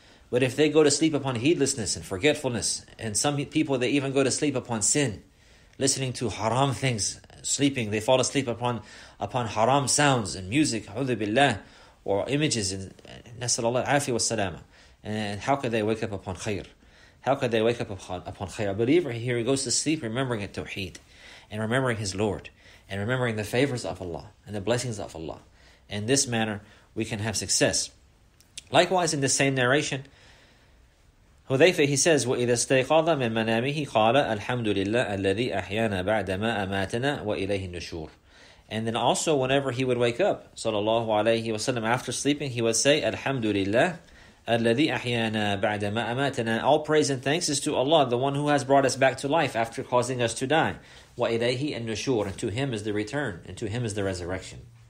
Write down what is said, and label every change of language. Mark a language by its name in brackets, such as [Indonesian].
[English] But if they go to sleep upon heedlessness and forgetfulness, and some people, they even go to sleep upon sin, listening to haram things, sleeping, they fall asleep upon haram sounds and music, a'udhu billah, or images, and [Arabic] nasal Allah al-afiyah wa salama. [English] And how could they wake up upon khair? How could they wake up upon khayr? A believer here, he goes to sleep remembering at Tawheed and remembering his Lord and remembering the favors of Allah and the blessings of Allah. In this manner, we can have success. Likewise, in the same narration, Hudhayfa, he says, [Arabic] وَإِذَا اسْتَيْقَظَ مِن مَنَامِهِ قَالَ الْحَمْدُ لِلَّهِ الَّذِي أَحْيَانَا بَعْدَ مَا أَمَاتَنَا وَإِلَيْهِ النُّشُورِ. [English] And then also whenever he would wake up, sallallahu alayhi wa sallam, after sleeping, he would say, [Arabic] Alhamdulillah, alladhi ahyana ba'da ma amatana. [English] All praise and thanks is to Allah, the one who has brought us back to life after causing us to die. [Arabic] Wa ilayhi an-nushur. [English] And to him is the return, and to him is the resurrection.